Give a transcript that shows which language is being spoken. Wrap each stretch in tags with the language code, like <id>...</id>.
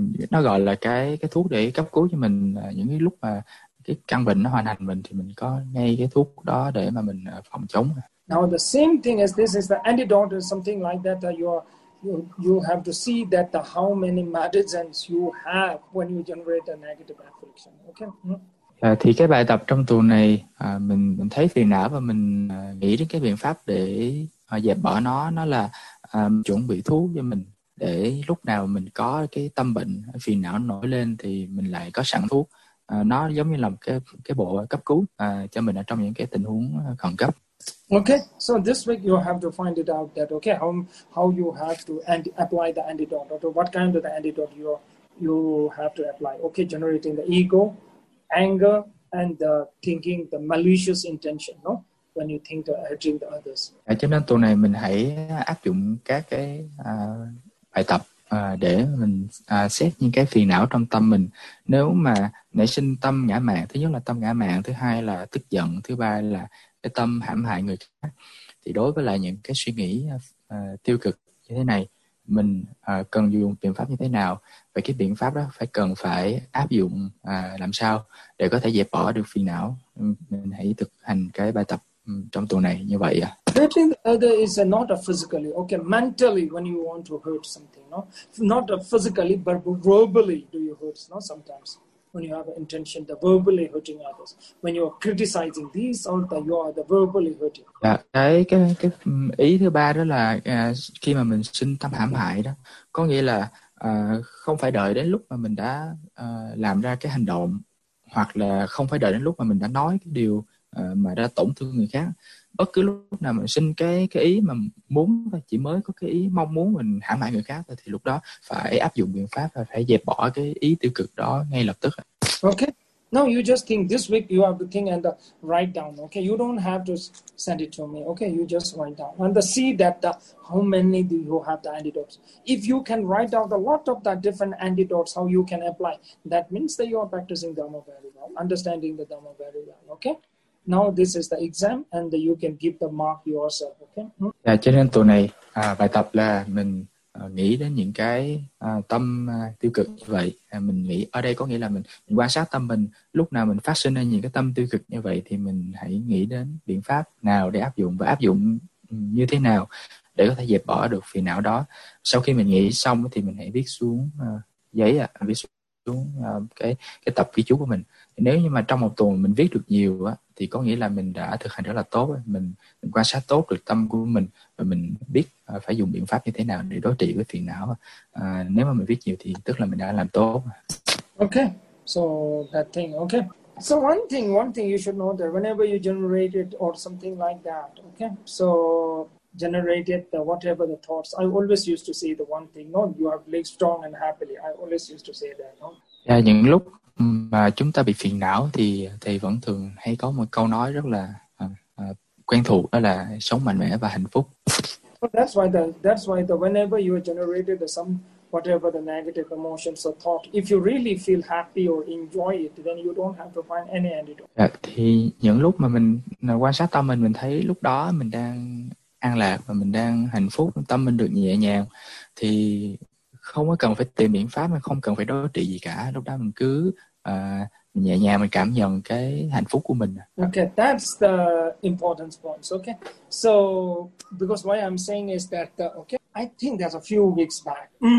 <vi>nó gọi là cái thuốc để cấp cứu cho mình những cái lúc mà cái căn bệnh nó hoành hành mình, thì mình có ngay cái thuốc đó để mà mình phòng chống.</vi> <en>Now the same thing as this is the antidote or something like that, that you have to see that the how many medicines you have when you generate a negative affliction. Okay.</en> <vi>Thì cái bài tập trong tuần này mình thấy phiền não và mình nghĩ đến cái biện pháp để dẹp bỏ nó là chuẩn bị thuốc cho mình để lúc nào mình có cái tâm bệnh phiền não nổi lên thì mình lại có sẵn thuốc. Nó giống như là một cái bộ cấp cứu cho mình ở trong những cái tình huống khẩn cấp.</vi> <en>Okay, so this week you have to find it out that okay how you have to apply the antidote or what kind of the antidote you have to apply. Okay, generating the ego, anger and the thinking the malicious intention, no? When you think of hurting the others.</en> <vi>Cho nên tuần này mình hãy áp dụng các cái bài tập để mình xét những cái phiền não trong tâm mình. Nếu mà nảy sinh tâm ngã mạn, thứ nhất là tâm ngã mạn, thứ hai là tức giận, thứ ba là cái tâm hãm hại người khác, thì đối với lại những cái suy nghĩ tiêu cực như thế này, mình cần dùng biện pháp như thế nào và cái biện pháp đó cần phải áp dụng làm sao để có thể dẹp bỏ được phiền não. Mình hãy thực hành cái bài tập trong tuần này như vậy.</vi> <en>Hurting the other is not a physically, okay, mentally when you want to hurt something, no? Not a physically but verbally do you hurt, no? Sometimes when you have an intention the verbally hurting others, when you are criticizing these or that you are the verbally hurting.</en> <vi>Cái ý thứ ba đó là khi mà mình sinh tâm hãm hại đó, có nghĩa là không phải đợi đến lúc mà mình đã làm ra cái hành động, hoặc là không phải đợi đến lúc mà mình đã nói cái điều mà đã tổn thương người khác. Bất cứ lúc nào mình sinh cái ý mà muốn, chỉ mới có cái ý mong muốn mình hãm hại người khác thì lúc đó phải áp dụng biện pháp và phải dẹp bỏ cái ý tiêu cực đó ngay lập tức.</vi> <en>Okay. Now you just think this week you have to think and write down. Okay. You don't have to send it to me. Okay. You just write down and see that how many do you have the antidotes. If you can write down a lot of the different antidotes, how you can apply, that means that you are practicing Dharma very well, understanding the Dharma very well. Okay. Now this is the exam and you can give the mark yourself, okay?</en> <vi>Yeah, cho nên tuần này bài tập là mình nghĩ đến những cái tâm tiêu cực như vậy. Mình nghĩ ở đây có nghĩa là mình quan sát tâm mình, lúc nào mình phát sinh ra những cái tâm tiêu cực như vậy thì mình hãy nghĩ đến biện pháp nào để áp dụng và áp dụng như thế nào để có thể dẹp bỏ được phiền não đó. Sau khi mình nghĩ xong thì mình hãy viết xuống giấy, viết xuống cái tập ghi chú của mình. Nếu như mà trong một tuần mình viết được nhiều á, thì có nghĩa là mình đã thực hành rất là tốt, mình quan sát tốt được tâm của mình và mình biết phải dùng biện pháp như thế nào để đối trị với phiền não. Nếu mà mình viết nhiều thì tức là mình đã làm tốt.</vi> <en>Okay, so that thing, okay. So one thing you should know that whenever you generate it or something like that, okay, so generated the whatever the thoughts, I always used to say the one thing, no, you are living strong and happily. I always used to say that, no?</en> <vi>Yeah, những lúc mà chúng ta bị phiền não thì thầy vẫn thường hay có một câu nói rất là quen thuộc, đó là sống mạnh mẽ và hạnh phúc.</vi> <en>Well, that's why the whenever you are generated some whatever the negative emotions or thought, if you really feel happy or enjoy it, then you don't have to find any antidote.</en> <vi>Yeah, thì những lúc mà mình quan sát tâm mình thấy lúc đó mình đang an lạc và mình đang hạnh phúc, tâm mình được nhẹ nhàng thì không có cần phải tìm biện pháp, mà không cần phải đối trị gì cả. Lúc đó mình cứ nhẹ nhàng mình cảm nhận cái hạnh phúc của mình.</vi> <en>Okay, that's the important points. Okay, so because why I'm saying is that okay, I think that's a few weeks back.</en>